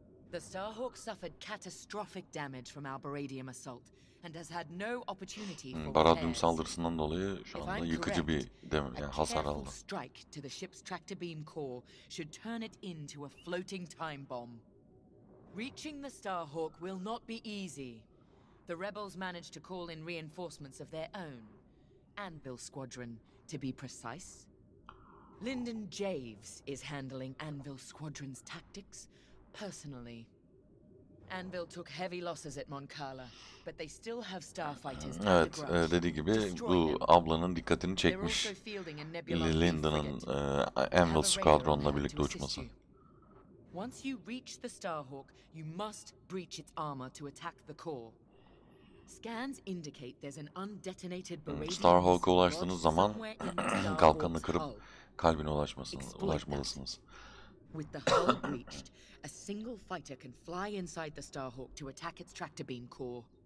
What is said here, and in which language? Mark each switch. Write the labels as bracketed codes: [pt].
[en] The Starhawk suffered catastrophic damage from our Baradium assault and has had no opportunity for [tr] Baradium saldırısından dolayı şu anda yıkıcı bir yani hasar aldı. [en] Strike to the ship's tractor beam core should turn it into a floating time bomb. Reaching the Starhawk will not be easy. The rebels managed to call in reinforcements of their own. Anvil Squadron, to be precise. Lyndon Javes is handling Anvil Squadron's tactics personally. Anvil took heavy losses at Mon Cala, but they still have starfighters. [tr] Evet, dediği gibi bu ablanın dikkatini çekmiş Lyndon'ın Anvil Squadron'la birlikte uçması. [en] Once you reach the Starhawk, you must breach its armor to attack the core. Scans indicate there's an undetonated Baradium. [tr] Starhawk'a ulaştığınız zaman kalkanını kırıp kalbine ulaşmalısınız. [en] With the hull breached, a single fighter can fly inside the Starhawk to attack its tractor beam core.